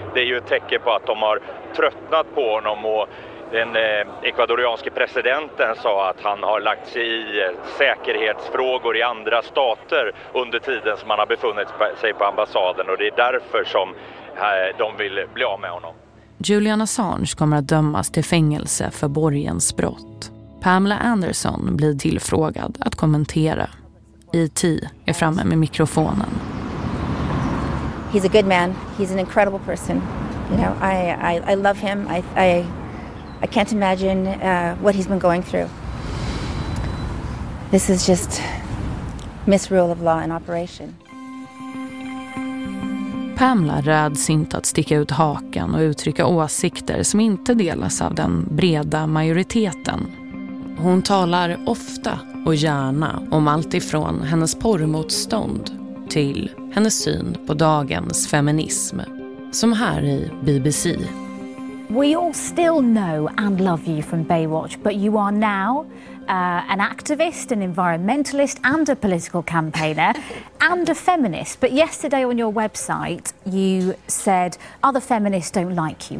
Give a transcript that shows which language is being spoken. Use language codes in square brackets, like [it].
[sv] Det är ju ett tecken på att de har tröttnat på honom, och den ecuadorianske presidenten sa att han har lagt sig i säkerhetsfrågor i andra stater under tiden som han har befunnit sig på ambassaden, och det är därför som de vill bli av med honom. Julian Assange kommer att dömas till fängelse för borgensbrott. Pamela Anderson blir tillfrågad att kommentera. E.T. är framme med mikrofonen. [en] He's a good man. He's an incredible person. You know, I love him. I can't imagine what he's been going through. This is just misrule of law in operation. [sv] Pamela räds inte att sticka ut haken och uttrycka åsikter som inte delas av den breda majoriteten. Hon talar ofta och gärna om allt ifrån hennes porrmotstånd till hennes syn på dagens feminism. Som här i BBC. [en] We all still know and love you from Baywatch, but you are now an activist, an environmentalist and a political campaigner and a feminist. But yesterday on your website, you said other feminists don't like you.